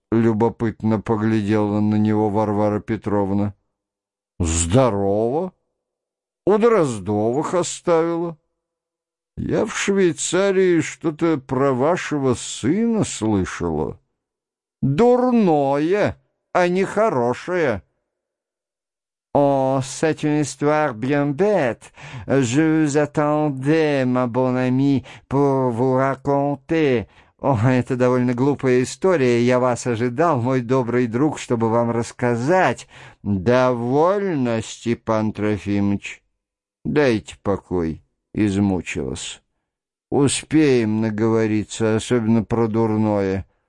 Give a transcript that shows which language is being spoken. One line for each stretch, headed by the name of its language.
Russian: Любопытно поглядела на него Варвара Петровна. Здорово. У Дроздовых оставила. Я в Швейцарии что-то про вашего сына слышала. Дурное, а не хорошее.
French: О, c'est une histoire bien bête. Je vous attendais, ma bonne amie, pour vous raconter.
Russian: О, это довольно глупая история. Я вас ожидал, мой добрый друг, чтобы вам рассказать. Довольно, Степан Трофимович. Дайте покой, измучилась. Успеем наговориться, особенно про дурное.